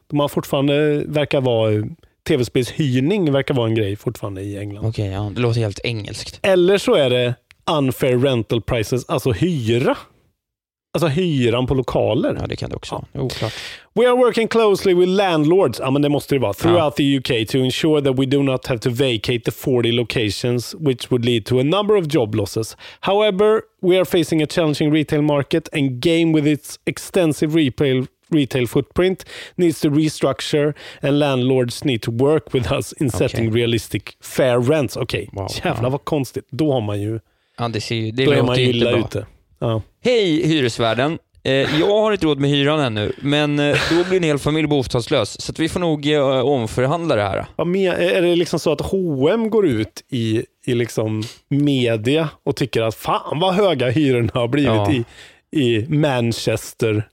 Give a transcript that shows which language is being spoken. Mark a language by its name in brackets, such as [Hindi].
[Swedish] De har fortfarande, verkar vara, tv-spelshyrning verkar vara en grej fortfarande i England. Okej, ja, det låter helt engelskt. Eller så är det [English] unfair rental prices, [Swedish] alltså hyra. Alltså hyran på lokaler. Ja, det kan det också vara. Ja. Oklart. [English] We are working closely with landlords, [Swedish] ja men det måste det vara, [English] throughout the UK to ensure that we do not have to vacate the 40 locations which would lead to a number of job losses. However, we are facing a challenging retail market and Game with its extensive retail footprint needs to restructure and landlords need to work with us in setting realistic fair rents. [Swedish] Okej, okay. Jävlar vad konstigt. Då har man ju... Ja, det ser ju, det då är man ju illa ute. Ja. Hej hyresvärden. Jag har inte råd med hyran ännu, men då blir en hel familj bostadslös. Så att vi får nog omförhandla det här. Ja, är det liksom så att H&M går ut i liksom media och tycker att fan vad höga hyrorna har blivit i Manchester?